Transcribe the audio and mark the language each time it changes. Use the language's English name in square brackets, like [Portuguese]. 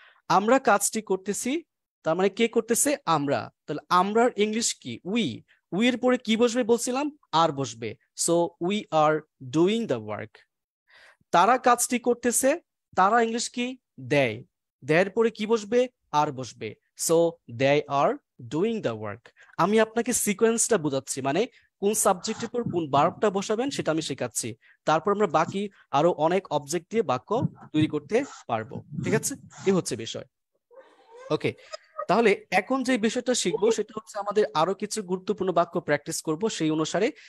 [Bangla] আমরা কাজটি করতেছি, তার মানে কে করতেছে? আমরা। তাহলে আমরার ইংলিশ কি? উই, উই এর পরে কি বসবে বলছিলাম? আর বসবে। [English] So we are doing the work. [Bangla] তারা কাজটি করতেছে, তারা ইংলিশ কি? দেয়, দেয়ের পরে কি বসবে? আর বসবে। [English] So they are doing the work. [Bangla] আমি আপনাকে সিকোয়েন্সটা বুঝাচ্ছি, মানে কোন সাবজেক্টের উপর কোন ভার্বটা বসাবেন সেটা আমি শেখাচ্ছি। তারপর আমরা বাকি আরো অনেক অবজেক্ট দিয়ে বাক্য তৈরি করতে পারবো, ঠিক আছে? এই হচ্ছে বিষয়। ওকে, তাহলে এখন যে বিষয়টা শিখবো সেটা হচ্ছে আমাদের আরো কিছু গুরুত্বপূর্ণ বাক্য প্র্যাকটিস করব সেই অনুসারে।